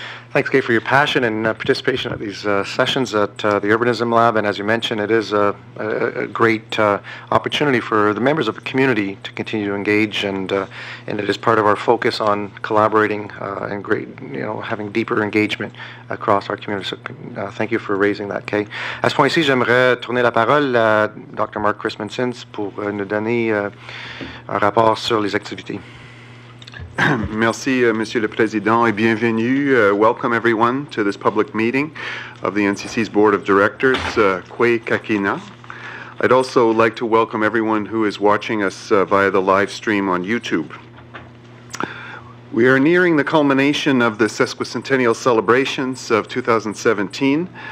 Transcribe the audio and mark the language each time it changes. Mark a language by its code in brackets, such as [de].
[en] Thanks, Kay, for your passion and participation at these sessions at the Urbanism Lab. And as you mentioned, it is a great opportunity for the members of the community to continue to engage. And it is part of our focus on collaborating and great, you know, having deeper engagement across our community. So thank you for raising that, Kay. [fr] À ce point-ci, j'aimerais tourner la parole à Dr. Mark Christensen pour nous donner un rapport sur les activités. Merci, Monsieur le Président, et bienvenue. [en] Welcome, everyone, to this public meeting of the NCC's Board of Directors, [alq] Kwe Kakina. [en] I'd also like to welcome everyone who is watching us via the live stream on YouTube. We are nearing the culmination of the sesquicentennial celebrations of 2017.